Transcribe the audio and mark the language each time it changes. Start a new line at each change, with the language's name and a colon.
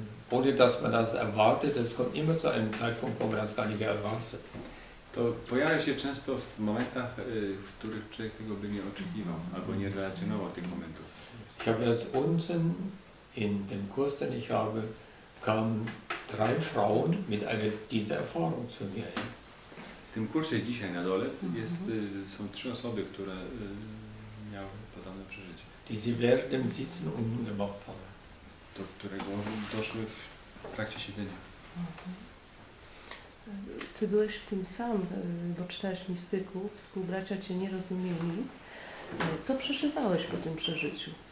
German: Ohne dass man das erwartet, das kommt immer zu einem Zeitpunkt, wo man das gar nicht erwartet.
Polish: To pojawia się często w momentach, w których człowiek tego by nie oczekiwał, albo nie relacjonował tych momentów.
German: Ich habe jetzt unten in dem Kurs, den ich habe, kamen drei Frauen mit einer dieser Erfahrung zu mir.
Polish: W tym kursie dzisiaj na dole są trzy osoby, które miały podobne przeżycie.
German: Die sie während dem Sitzen unten gemacht haben.
Polish: Do którego doszły w trakcie siedzenia. Ty byłeś w tym sam, bo czytałeś mistyków, współbracia cię nie rozumieli. Co przeżywałeś po tym przeżyciu?